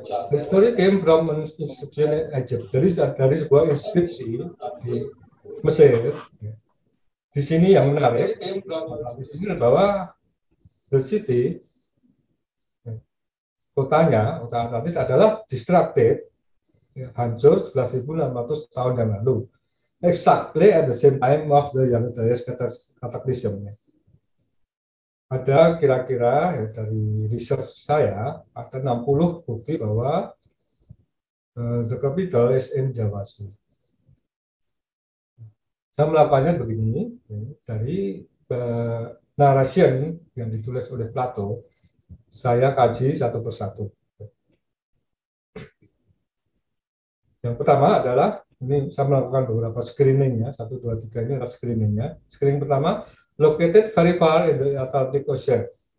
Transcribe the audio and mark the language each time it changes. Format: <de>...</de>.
<en>The story came from an inscription in Egypt.</en> <id>Dari sebuah inskripsi di Mesir. Di sini yang menarik, di sini bahwa</id> <en>the city,</en> <id>kota Atlantis adalah destructed, hancur 11.600 tahun yang lalu.</id> <en>Exactly at the same time of the Young Darius cataclysm.</en> <id>Ada kira-kira dari research saya ada 60 bukti bahwa</id> <en>the capital is in Java Sea.</en> <id>Saya melakukannya begini dari narration yang ditulis oleh Plato. Saya kaji satu persatu. Yang pertama adalah ini saya melakukan beberapa screeningnya, 1, 2, 3 ini adalah screeningnya. Screening pertama,</id> <en>located very far in the Atlantic Ocean.</en>